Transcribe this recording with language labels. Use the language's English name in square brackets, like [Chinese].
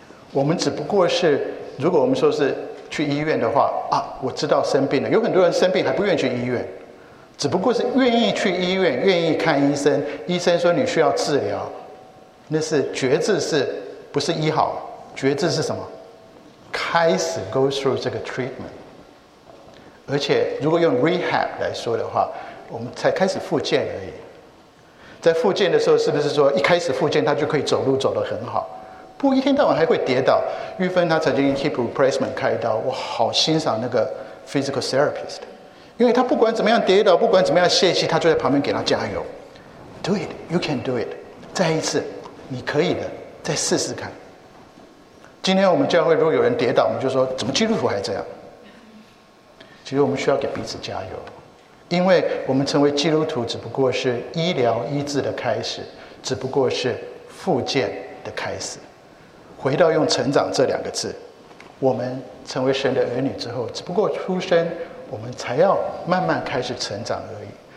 [Chinese] 我们只不过是，如果我们说是去医院的话啊，我知道生病了，有很多人生病还不愿意去医院，只不过是愿意去医院，愿意看医生，医生说你需要治疗，那是决志，是不是医好？决志是什么？开始 [English] go through [Chinese] 这个 treatment。而且如果用 rehab 来说的话，我们才开始复健而已。在复健的时候，是不是说一开始复健他就可以走路走得很好？不，一天到晚还会跌倒。玉芬他曾经 [English] hip replacement [Chinese] 开刀，我好欣赏那个 [English] physical therapist， [Chinese] 因为他不管怎么样跌倒，不管怎么样泄气，他就在旁边给他加油。 [English] Do it, you can do it， [Chinese] 再一次你可以的，再试试看。今天我们教会如果有人跌倒，我们就说怎么基督徒还这样。其实我们需要给彼此加油，因为我们成为基督徒只不过是医疗医治的开始，只不过是复健的开始。回到用成长这两个字，我们成为神的儿女之后，只不过出生我们才要慢慢开始成长而已。